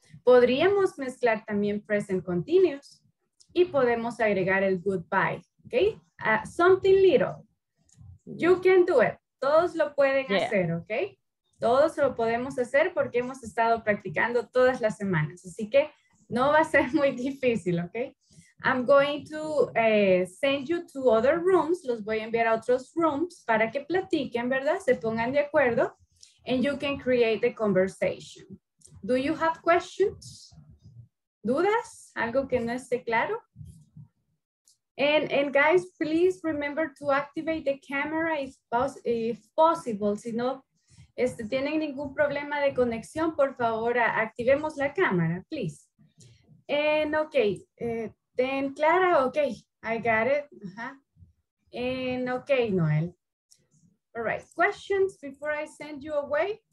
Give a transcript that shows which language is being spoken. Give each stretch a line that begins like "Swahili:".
Spanish: Podríamos mezclar también present continuous y podemos agregar el goodbye, ¿okay?
English: Something little. You can do it.
Spanish: Todos lo pueden hacer,
English: ¿okay?
Spanish: Todos lo podemos hacer porque hemos estado practicando todas las semanas. Así que no va a ser muy difícil, ¿okay?
English: I'm going to send you to other rooms.
Spanish: Los voy a enviar a otros rooms para que platiquen, ¿verdad? Se pongan de acuerdo.
English: And you can create a conversation. Do you have questions?
Spanish: ¿Dudas? ¿Algo que no esté claro?
English: And guys, please remember to activate the camera if possible.
Spanish: Si no tienen ningún problema de conexión, por favor, activemos la cámara, please.
English: And okay, then Clara, okay, I got it. And okay, Noel. All right, questions before I send you away?